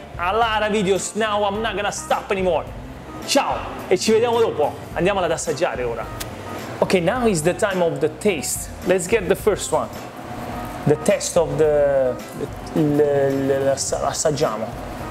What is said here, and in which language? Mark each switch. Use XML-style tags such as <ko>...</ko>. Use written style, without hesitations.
<en>A lot of videos, now I'm not gonna stop anymore.</en> <it>Ciao e ci vediamo dopo, andiamola ad assaggiare ora.</it> <en>Ok, now is the time of the taste. Let's get the first one. The test of</en> <it>l'assaggiamo.</it>